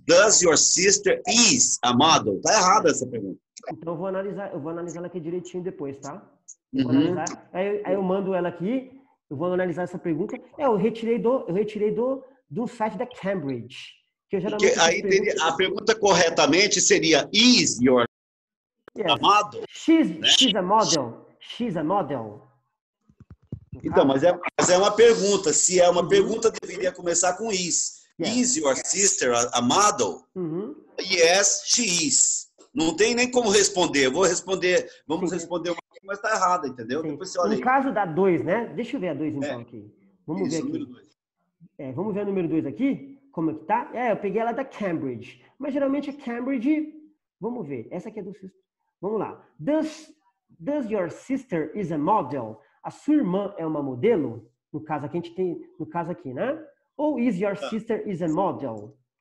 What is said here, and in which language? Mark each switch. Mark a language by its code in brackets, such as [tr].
[en] Does your sister is a model? [pt] Tá errada essa pergunta. Então eu vou analisar ela aqui direitinho depois, tá? Aí eu mando ela aqui, eu vou analisar essa pergunta. Eu retirei do site da Cambridge. Que eu geralmente a pergunta corretamente seria [en] is your model? She's a model. She's a model. [pt] Então, mas é uma pergunta. Se é uma pergunta, deveria começar com is. [en] Is your sister a model? Yes, she is. [pt] Não tem nem como responder. Vamos responder uma coisa, mas tá errada, entendeu? Depois você olha no aí. Caso da 2, né? Deixa eu ver a 2 então aqui. Vamos ver aqui. Vamos ver a número 2 aqui, como é que tá? Eu peguei ela da Cambridge. Mas geralmente a Cambridge... Vamos ver. Essa aqui é do... Vamos lá. [en] Does your sister is a model? [pt] A sua irmã é uma modelo? No caso aqui, a gente tem... No caso aqui, né? [en] Ou is your sister is a model?